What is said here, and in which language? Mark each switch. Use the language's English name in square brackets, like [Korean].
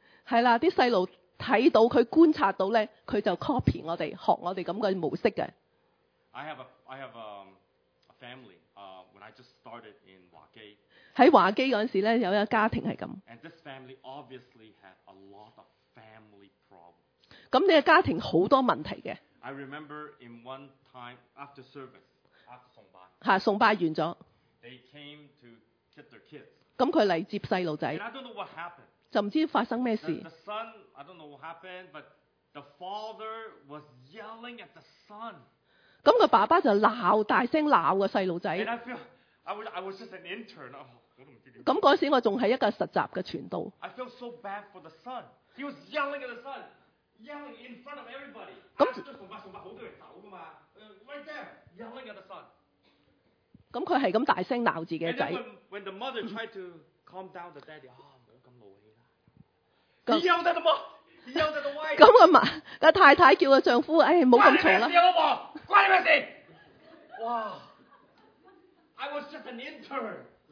[Cantonese] 係啦，啲細路睇到佢觀察到咧，佢就 copy 我哋，學我哋咁嘅模式嘅。 [English] I have a family. When I just started in Hua Ge. [Cantonese] 在華基嗰陣時咧，有一個家庭係咁。 [English] And this family obviously had a lot of family problems. [Cantonese] 咁你嘅家庭好多問題嘅。 [English] I remember in one time after service, after 崇拜。 [Cantonese] 嚇，崇拜完咗。 [English] They came to get their kids. [Cantonese] 咁佢嚟接細路仔。 [English] And I don't know what happened. [Cantonese] 就唔知發生咩事。 [English] The son, I don't know what happened, but the father was yelling at the son. [Cantonese] 咁個爸爸就鬧，大聲鬧個細路仔。 [English] I was just an intern. [Cantonese] 咁嗰時我仲係一個實習嘅傳道。 [English] I felt so bad for the son. He was yelling at the son, yelling in front of everybody. [Cantonese] 咁都崇拜崇拜好多人走噶嘛 [English] ？Right there, yelling at the son. [Cantonese] 咁佢係咁大聲鬧自己仔。 [English] When the mother tried to calm down the daddy, [Cantonese] 唔好咁怒氣啦。 [English] He yelled at the mom. He yelled at the wife. [Cantonese] 咁個媽個太太叫個丈夫，唔好咁嘈啦。關你咩事啊，老婆？關你咩事？哇！ [English] I was just an intern.